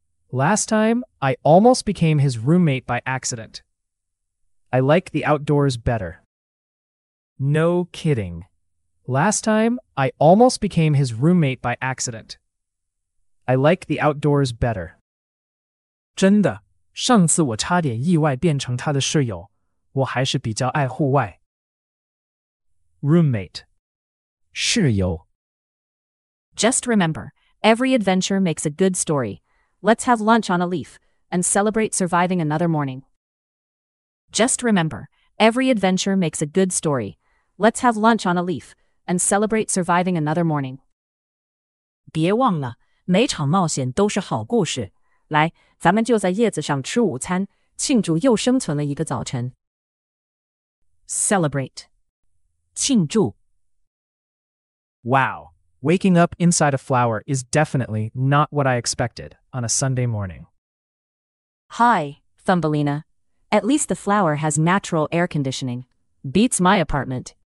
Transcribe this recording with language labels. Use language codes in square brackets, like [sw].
[en] Last time, I almost became his roommate by accident. I like the outdoors better. No kidding. Last time, I almost became his roommate by accident. I like the outdoors better. [zh] 真的，上次我差点意外变成他的室友。我还是比较爱户外。 [en] Roommate， [zh] 室友。 [en] Just remember, every adventure makes a good story. Let's have lunch on a leaf and celebrate surviving another morning. Just remember, every adventure makes a good story. Let's have lunch on a leaf and celebrate surviving another morning. [zh] 别忘了，每场冒险都是好故事。来，咱们就在叶子上吃午餐，庆祝又生存了一个早晨。 [en] Celebrate， [zh] 庆祝。 [en] Wow, waking up inside a flower is definitely not what I expected on a Sunday morning. Hi, Thumbelina. At least the flower has natural air conditioning. Beats my apartment.